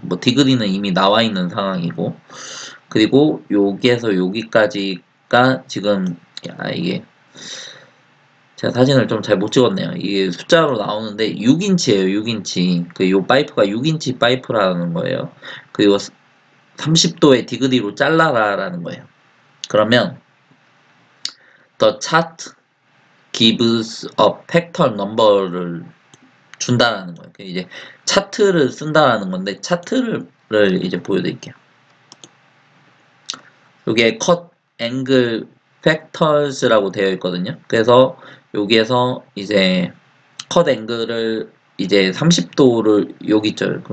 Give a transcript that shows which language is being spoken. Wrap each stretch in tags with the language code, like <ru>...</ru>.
<ko>뭐 디그리는 이미 나와 있는 상황이고, 그리고 여기에서 여기까지가 지금, 야, 이게 제가 사진을 좀잘못 찍었네요. 이게 숫자로 나오는데 6인치예요, 6인치. 그요 파이프가 6인치 파이프라는 거예요. 그리고 30도의 디그리로 잘라라라는 거예요. 그러면</ko> <en>the chart gives a pattern number를</en> <ko>준다라는 거예요. 이제 차트를 쓴다라는 건데 차트를 이제 보여드릴게요. 여기에 cut angle factors라고 되어 있거든요. 그래서 여기에서 이제 cut angle을 이제 30도를 여기 있죠.</ko>